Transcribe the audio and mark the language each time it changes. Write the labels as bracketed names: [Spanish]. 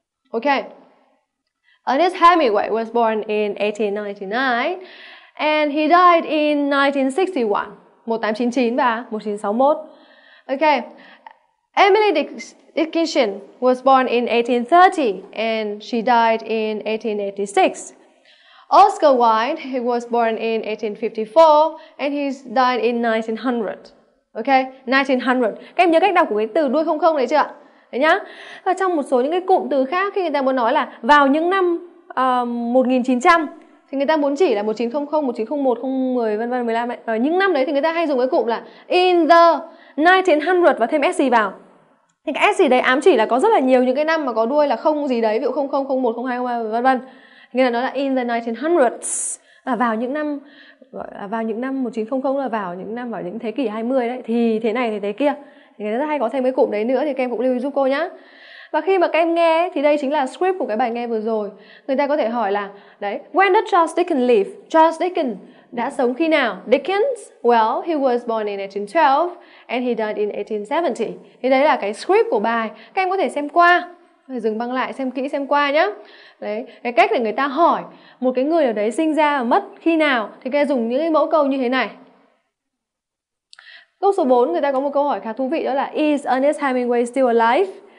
[English] Okay. Ernest Hemingway was born in 1899 and he died in 1961, 1899 và 1961. Okay. Emily Dickinson was born in 1830 and she died in 1886. Oscar Wilde, he was born in 1854 and he died in 1900. Okay, 1900. [Vietnamese] Các em nhớ cách đọc của cái từ đuôi không không đấy chưa ạ? Đấy nhá. Và trong một số những cái cụm từ khác khi người ta muốn nói là vào những năm 1900 thì người ta muốn chỉ là 1900, 1901, 010, vân vân 15 ấy. Và những năm đấy thì người ta hay dùng cái cụm là [English] in the 1900 [Vietnamese] và thêm SC vào. Thì cái SC đấy ám chỉ là có rất là nhiều những cái năm mà có đuôi là không gì đấy, ví dụ 00, 01, 02, 03, vân vân. Nghĩa là nó là [English] in the 1900s, [Vietnamese] là vào những năm, gọi là vào những năm 1900, là vào những năm, vào những thế kỷ 20 đấy, thì thế này thì thế kia. Thì người ta hay có thêm cái cụm đấy nữa, thì các em cũng lưu ý giúp cô nhá. Và khi mà các em nghe thì đây chính là script của cái bài nghe vừa rồi. Người ta có thể hỏi là đấy, [English] when did Charles Dickens live? [Vietnamese] Charles Dickens đã sống khi nào? [English] Dickens, well, he was born in 1812 and he died in 1870. [Vietnamese] Thì đấy là cái script của bài. Các em có thể xem qua, phải dừng băng lại xem kỹ xem qua nhá. Đấy, cái cách để người ta hỏi một cái người ở đấy sinh ra và mất khi nào thì các em dùng những cái mẫu câu như thế này. Câu số 4, người ta có một câu hỏi khá thú vị, đó là [English] is Ernest Hemingway still alive?